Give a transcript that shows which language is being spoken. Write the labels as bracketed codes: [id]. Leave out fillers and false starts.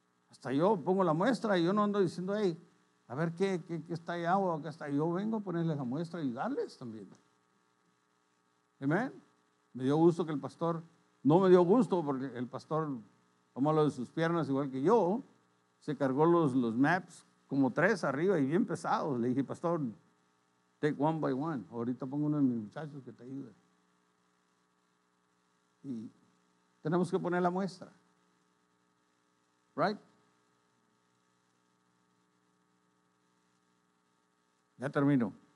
[es] Hasta yo pongo la muestra y yo no ando diciendo, hey, a ver qué está ahí agua, qué está ahí. Yo vengo a ponerles la muestra y ayudarles también. ¿Amén? Me dio gusto que el pastor, no me dio gusto porque el pastor tomó lo de sus piernas igual que yo, se cargó los maps como tres arriba y bien pesados. Le dije, pastor, [en] take one by one. [es] Ahorita pongo uno de mis muchachos que te ayude. Y tenemos que poner la muestra. ¿Right? Ya termino.